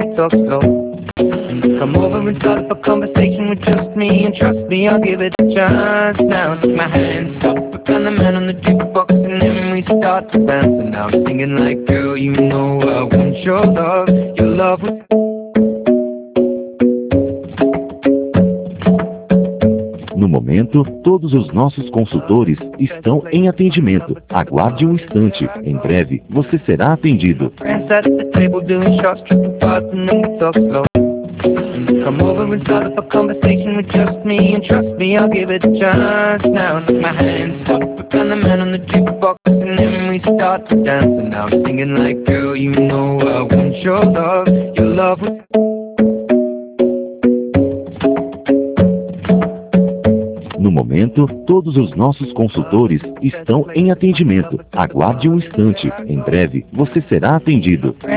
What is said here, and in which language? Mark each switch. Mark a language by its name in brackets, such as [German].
[English] Come over and start up a conversation with just me, and trust me, I'll give it a chance. Now I take my hand, stop, and the man on the jukebox, and then we start to dance. And now I'm singing like, girl, you know I want your love was... [Portuguese] No momento, todos os nossos consultores estão em atendimento. Aguarde um instante, em breve você será atendido. [English] Come over and start up a conversation with just me, and trust me, I'll give it a chance. Now I take my hand, stop, and the man on the jukebox, and then we start to dance. And now I'm singing like, girl, you know I want your love was... [Portuguese] No momento, todos os nossos consultores estão em atendimento. Aguarde um instante, em breve você será atendido.